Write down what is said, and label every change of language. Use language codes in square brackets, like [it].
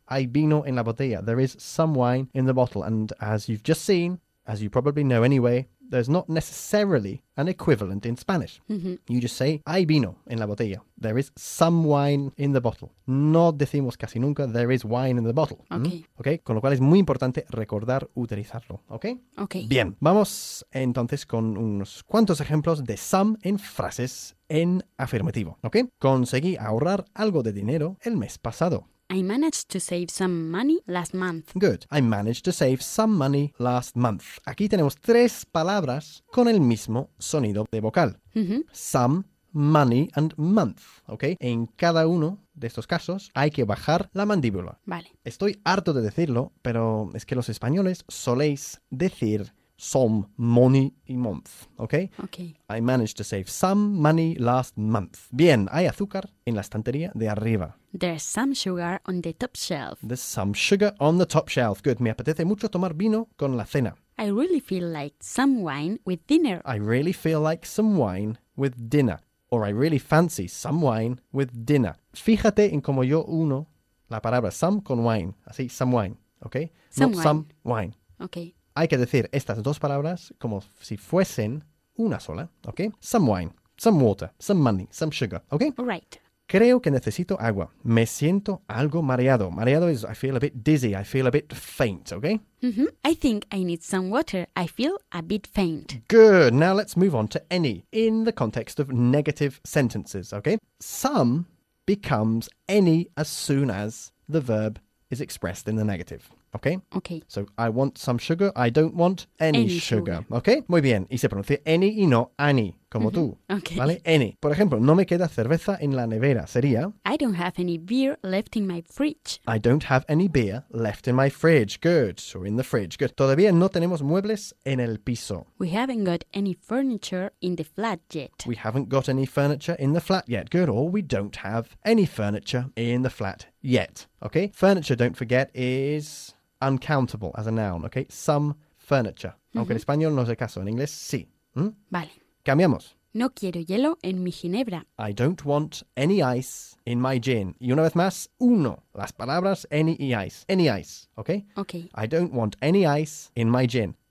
[es] Hay vino en la botella. [en] There is some wine in the bottle. And as you've just seen, as you probably know anyway, there's not necessarily an equivalent in Spanish. You just say, [es] hay vino en la botella. [en] There is some wine in the bottle. [es] No decimos casi nunca, [en] there is wine in the bottle. Okay. Okay. [es] Con lo cual es muy importante recordar utilizarlo. [en] Okay. Okay. [es] Bien, vamos entonces con unos cuantos ejemplos de some en frases en afirmativo. Okay. Conseguí ahorrar algo de dinero el mes pasado. [en] I managed to save some money last month. Good. I managed to save some money last month. [es] Aquí tenemos tres palabras con el mismo sonido de vocal. Some, money and month. Okay. En cada uno de estos casos hay que bajar la mandíbula. Vale. Estoy harto de decirlo, pero es que los españoles soléis decir some money y month. [en] Okay. Okay. I managed to save some money last month. Bien. [es] Hay azúcar en la estantería de arriba. [en] There's some sugar on the top shelf. There's some sugar on the top shelf. Good. [es] Me apetece mucho tomar vino con la cena. [en] I really feel like some wine with dinner. I really feel like some wine with dinner. Or I really fancy some wine with dinner. [es] Fíjate en cómo yo uno la palabra some con wine. [en] Así, some wine. Okay? Some Not wine. Some wine. Okay. [es] Hay que decir estas dos palabras como si fuesen una sola. [en] Okay? Some wine. Some water. Some money. Some sugar. Okay? Right. [es] Creo que necesito agua. Me siento algo mareado. [en] Mareado is I feel a bit dizzy. I feel a bit faint, okay? I think I need some water. I feel a bit faint. Good. Now let's move on to any in the context of negative sentences, okay? Some becomes any as soon as the verb is expressed in the negative, okay? Okay. So I want some sugar. I don't want any sugar, okay? [es] Muy bien. Y se pronuncia any y no any. Como tú, [en] okay. [es] ¿Vale? Any. Por ejemplo, no me queda cerveza en la nevera. Sería... [en] I don't have any beer left in my fridge. I don't have any beer left in my fridge. Good. So in the fridge. Good. [es] Todavía no tenemos muebles en el piso. [en] We haven't got any furniture in the flat yet. We haven't got any furniture in the flat yet. Good. Or we don't have any furniture in the flat yet. Okay? Furniture, don't forget, is uncountable as a noun. Okay? Some furniture. [es] Aunque en español no es el caso. En inglés, sí. Vale. Cambiamos. No quiero hielo en mi ginebra. [en] I don't want any ice in my gin. [es] Y una vez más, uno. Las palabras any y ice. Any ice, ¿ok? [en] Ok. I don't want any ice in my gin.